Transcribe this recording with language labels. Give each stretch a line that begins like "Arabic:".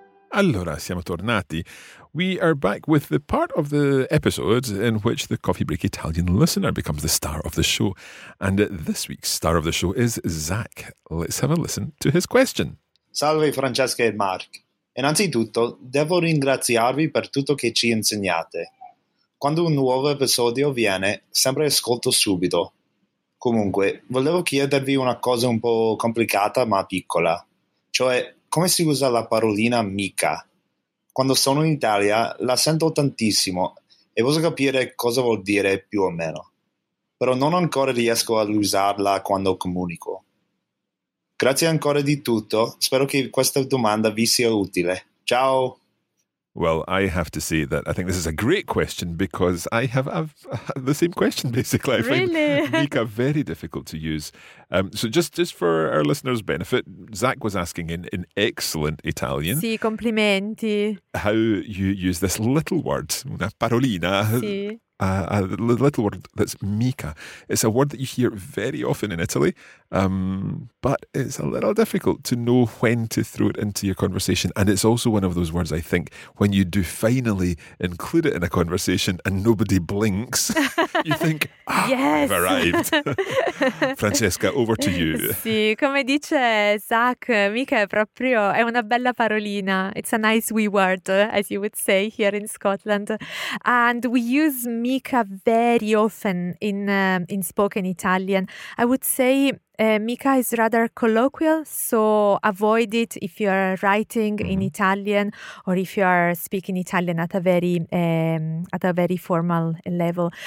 Italian: Allora, siamo tornati.
English: We are back with the part of the episode in which the Coffee Break Italian listener becomes the star of the show. And this week's star of the show is Zach. Let's have a listen to his question.
Italian: Salve Francesca e Mark. Innanzitutto, devo ringraziarvi per tutto che ci insegnate. Quando un nuovo episodio viene, sempre ascolto subito. Comunque, volevo chiedervi una cosa un po' complicata ma piccola. Cioè, come si usa la parolina mica? Quando sono in Italia la sento tantissimo e posso capire cosa vuol dire più o meno. Però non ancora riesco ad usarla quando comunico. Grazie ancora di tutto. Spero che questa domanda vi sia utile. Ciao!
English: Well, I have to say that I think this is a great question because I have the same question, basically. Really? I find mica very difficult to use. So just for our listeners' benefit, Zach was asking in excellent Italian.
Italian: Sì, complimenti.
English: How you use this little word, una parolina.
Italian: Sì.
English: A little word that's mica. It's a word that you hear very often in Italy, but it's a little difficult to know when to throw it into your conversation. And it's also one of those words, I think, when you do finally include it in a conversation and nobody blinks, you think, ah, yes, I've arrived. Francesca, over to you.
Italian: Sì, come dice Zach, mica è una bella parolina.
English: It's a nice wee word, as you would say here in Scotland. And we use mica very often in spoken Italian. I would say mica is rather colloquial, so avoid it if you are writing in Italian or if you are speaking Italian at a very formal level.